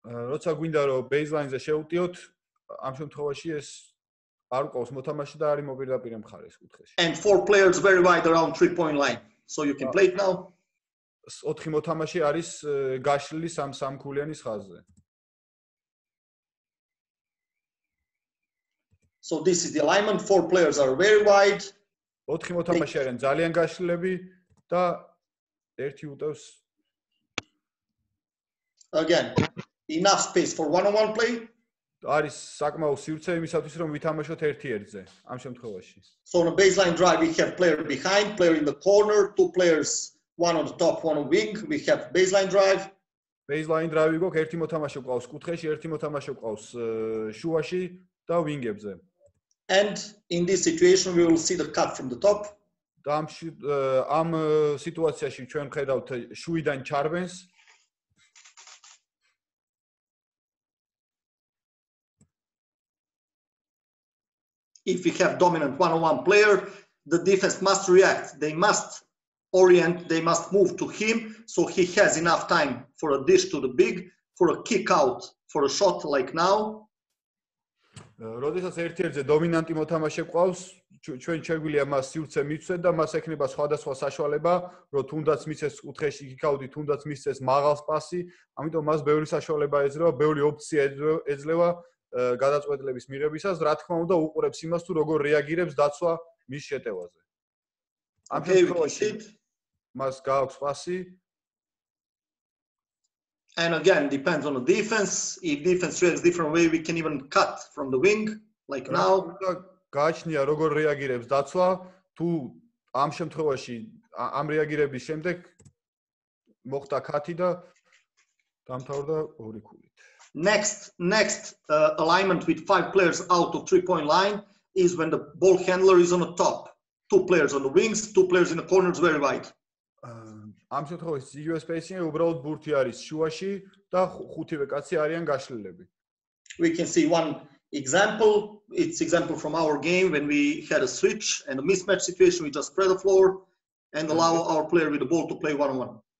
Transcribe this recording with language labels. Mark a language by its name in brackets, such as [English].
[Georgian] როცა გვინდა რომ baseline-ზე შეუტიოთ, ამ შემთხვევაში ეს არ ყავს მოთამაშე და არის მოპირდაპირე მხარეს კუთხეში. [English] And four players very wide around three point line, so you can play it now. [Georgian] 4 მოთამაშე არის გაშლილი სამ-სამქულიანის ხაზზე. [English] So this is the alignment, four players are very wide. [Georgian] 4 მოთამაშე არიან ძალიან გაშლილები და ერთი უტევს. [English] Again, enough space for one-on-one play. [Georgian] არის საკმაო სივრცე იმისათვის რომ ვითამაშოთ ერთ-ერთზე ამ შემთხვევაში. [English] So on a baseline drive we have player behind, player in the corner, two players, one on the top, one on the wing, we have baseline drive. [Georgian] Baseline drive-ი გვაქვს ერთი მოთამაშე ყავს კუთხეში, ერთი მოთამაშე ყავს შუაში და ვინგებზე. [English] And in this situation we will see the cut from the top. [Georgian] ამ სიტუაციაში ჩვენ ხედავთ შუიდან ჩარბენს. [English] If we have dominant one-on-one player, the defense must react. They must orient, they must move to him so he has enough time for a dish to the big, for a kick out, for a shot like now. [Georgian] როდესაც ერთ-ერთზე დომინანტი მოთამაშე ყავს, ჩვენ შეგვიძლია მას სივრცე მიცვეთ და მას ექნება სხვადასხვა საშუალება, რომ თუნდაც მისცეს კუთხეში kick out-ი, თუნდაც მისცეს მაღალ პასი, ამიტომ მას ბევრი საშუალება ეძლევა, ბევრი ოფცია ეძლევა. გადაწყვეტლების მიღებისას რა თქმა უნდა უყურებს იმას თუ როგორ რეაგირებს დაცვა მის შეტევაზე. ამ შემთხვევაში მას გააქვს პასი. [English] And again depends on the defense. If defense reacts different way we can even cut from the wing like now. [Georgian] გააჩნია როგორ რეაგირებს დაცვა თუ ამ შემთხვევაში ამ რეაგირების შემდეგ მოხდა კათი და დამთავრდა ორი ქულით. [English] Next alignment with five players out of three point line is when the ball handler is on the top, two players on the wings, two players in the corners very wide. [Georgian] ამ შემთხვევაში იგივე სპეისინგი, უბრალოდ ბურთი არის შუაში და ხუთივე კაცი არიან გაშლილები. [English] We can see one example, it's example from our game when we had a switch and a mismatch situation, we just spread the floor and allow our player with the ball to play one on one.